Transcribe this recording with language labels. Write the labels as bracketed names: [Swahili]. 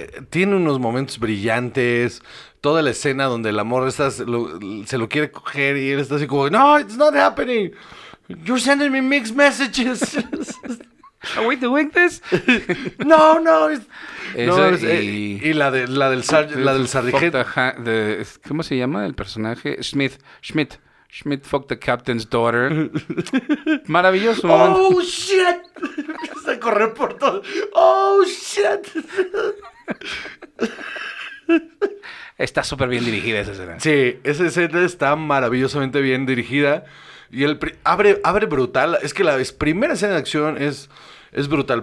[Spanish] Tiene unos momentos brillantes, toda la escena donde el amor se lo quiere coger y él está así como, no, [English] it's not happening, you're sending me mixed messages. Are we doing this? [Spanish] No. Y la del sargento. ¿Cómo se llama el personaje? Schmidt. [English] Schmidt fucked the captain's daughter. [Spanish] Maravilloso. [English] Oh, shit. [Spanish] Empieza a correr por todo. [English] Oh, shit. [Spanish] Está súper bien dirigida esa escena. Sí, esa escena está maravillosamente bien dirigida. Y el abre brutal. Es que la primera escena de acción es brutal.